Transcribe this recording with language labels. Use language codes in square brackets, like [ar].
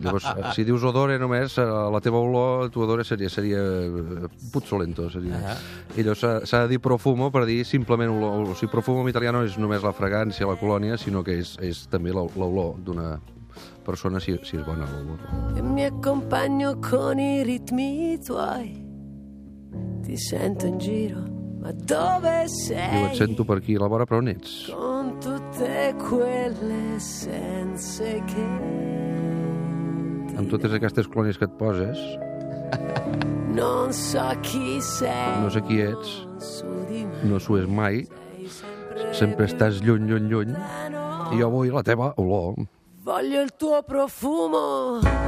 [ca] Llavors, si dius odore només, la teva olor, [it] tu odore seria puzzolento. [ca] Seria. I llavors s'ha de dir profumo per dir simplement olor. O sigui, profumo en italià no és només la fragància, la colònia, sinó que és també l'olor d'una persona, si és bona l'olor. [it] Mi accompagno con i ritmi tuoi. Ti sento in giro, ma dove sei? [ca] Jo et sento per aquí a la vora, però on ets? [it] Con tutte quelle sense che... [ca] Amb totes aquestes colònies que et poses, [it] non so chi sei, [ca] no sé qui ets, no s'ho és mai, sempre estàs lluny, lluny, lluny, i jo vull la teva olor. [it] Voglio il tuo profumo.